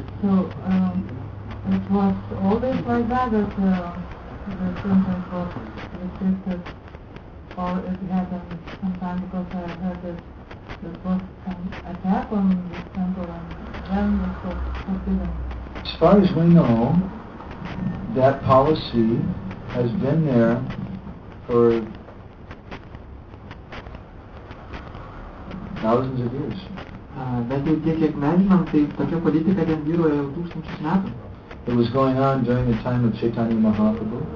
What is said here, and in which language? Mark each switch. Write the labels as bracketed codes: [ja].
[en] So, it was always like that, that the temples were restricted, or it happened sometimes because I heard that there was an attack on the temple and then it was forbidden. As far as we know, that policy has been there for thousands of years. [lt] Bet jau tiek, kiek mes žinom, tai tokia politika ten vyruoja jau tūkstančius metų. [en] that was going on during the time of Chaitanya Mahaprabhu.